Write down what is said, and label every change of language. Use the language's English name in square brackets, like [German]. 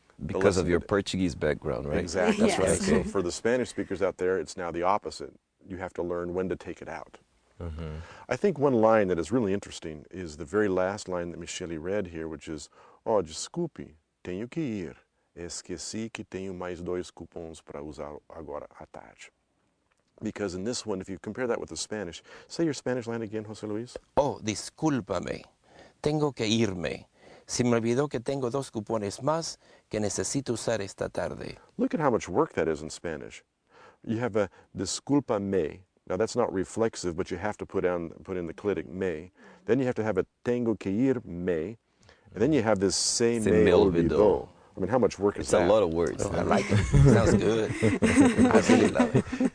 [English] Because of your Portuguese background, right? Exactly. Yes. That's right. So for the Spanish speakers out there, it's now the opposite. You have to learn when to take it out. Mm-hmm. I think one line that is really interesting is the very last line that Michele read here, which is, oh, [Portuguese] desculpe, tenho que ir. Esqueci que tenho mais dois cupons para usar agora à tarde. [English] Because in this one, if you compare that with the Spanish, say your Spanish line again, José Luis. [Spanish] Oh, discúlpame. Tengo que irme. Se me olvidó que tengo dos cupones más que necesito usar esta tarde. [English] Look at how much work that is in Spanish. You have a discúlpame. Now, that's not reflexive, but you have to put in the clitic me. Then you have to have a [Spanish] tengo que irme. [English] And then you have this [Spanish] se me olvidó. [English] I mean, how much work is that? It's a lot of words. Oh, I like it. Sounds good. I really love it.